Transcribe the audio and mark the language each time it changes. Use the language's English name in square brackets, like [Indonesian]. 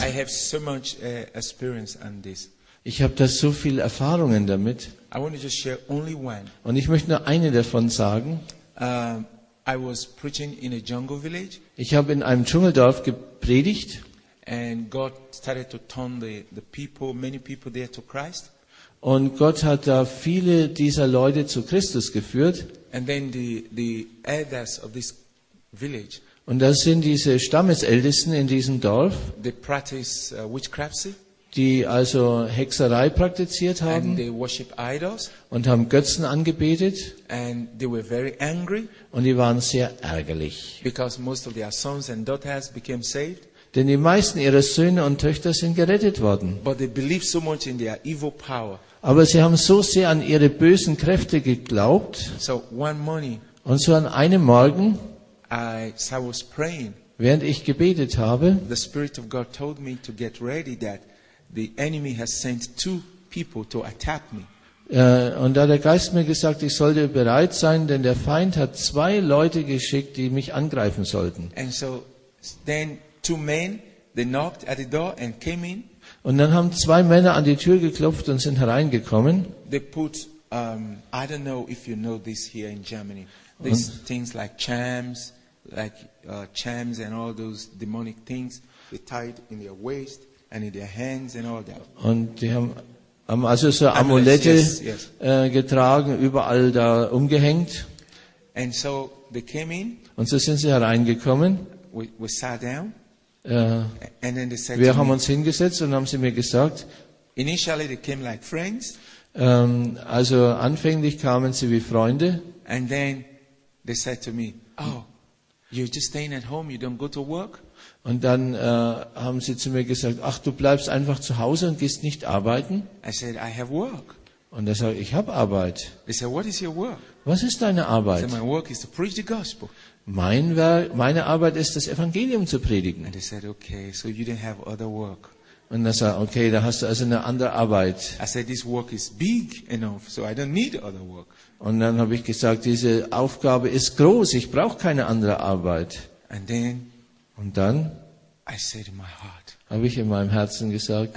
[English] I have so much experience on this. [German] Ich habe da so viel Erfahrungen damit. [English] I want to just share only one. [German] Und ich möchte nur eine davon sagen. [English] I was preaching in a jungle village. [German] Ich habe in einem Dschungeldorf gepredigt. [English] And God started to turn the people, many people there to Christ. [German] Und Gott hat da viele dieser Leute zu Christus geführt. [English] And then the elders of this village. [German] Und das sind diese Stammesältesten in diesem Dorf. [English] They practice witchcraft. [German] Die also Hexerei praktiziert haben und haben Götzen angebetet, [English] and they were very angry, [German] und die waren sehr ärgerlich. [English] Because most of their sons and daughters became saved. [German] Denn die meisten ihrer Söhne und Töchter sind gerettet worden. [English] But they believed so much in their evil power. [German] Aber sie haben so sehr an ihre bösen Kräfte geglaubt. [English] So one morning, [German] und so an einem Morgen, [English] I was praying, [German] während ich gebetet habe, [English] the Spirit of God told me to get ready that the enemy has sent two people to attack me. [German] Und da der Geist mir gesagt, ich sollte bereit sein, denn der Feind hat zwei Leute geschickt, die mich angreifen sollten. [English] And so then two men, they knocked at the door and came in. [German] Und dann haben zwei Männer an die Tür geklopft und sind hereingekommen. [English] They put I don't know if you know this here in Germany. These things like charms and all those demonic things, they tied in their waist. And in their hands and all that. [German] Und die haben Haben also so Amulette getragen, überall da umgehängt. [English] And so they came in, [German] und so sind sie hereingekommen. [English] We sat down, and then they said [German] wir haben uns hingesetzt und haben sie mir gesagt, [English] initially they came like friends, [German] also anfänglich kamen sie wie Freunde. [English] And then they said to me, oh, you're just staying at home, you don't go to work? [German] Und dann haben sie zu mir gesagt, ach, du bleibst einfach zu Hause und gehst nicht arbeiten? [English] I said, I have work. [German] Und er sagt, ich habe Arbeit. [English] They said, what is your work? [German] Was ist deine Arbeit? [English] I said, my work is to preach the gospel. [German] Meine Arbeit ist, das Evangelium zu predigen. [English] And they said, okay, so you didn't have other work. [German] Und er sagt, okay, da hast du also eine andere Arbeit. [English] I said, this work is big enough, so I don't need other work. [German] Und dann habe ich gesagt, diese Aufgabe ist groß, ich brauche keine andere Arbeit. [English] And then, [German] und dann [English] I said in my heart, [German] habe ich in meinem Herzen gesagt,